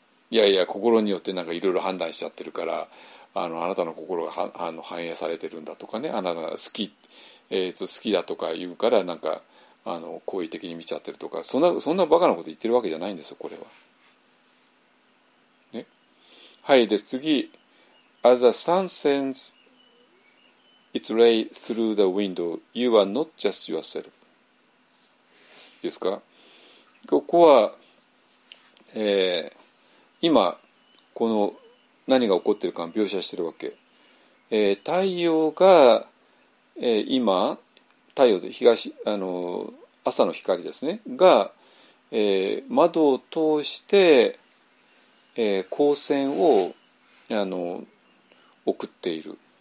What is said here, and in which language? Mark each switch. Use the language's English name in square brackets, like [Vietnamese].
[Japanese] いやいや、心によってなんかいろいろ判断しちゃってるから、あなたの心が反映されてるんだとかね、あなたが好き、好きだとか言うから、なんか、好意的に見ちゃってるとか、そんなバカなこと言ってるわけじゃないんですよ、これは。はい、で次、 [English] As the sun sends its ray through the window, you are not just yourself. [Japanese] いいですか？ここは、今、この何が起こっているか描写しているわけ。太陽が、今、太陽で東、朝の光ですね、が、窓を通して、光線を送っている。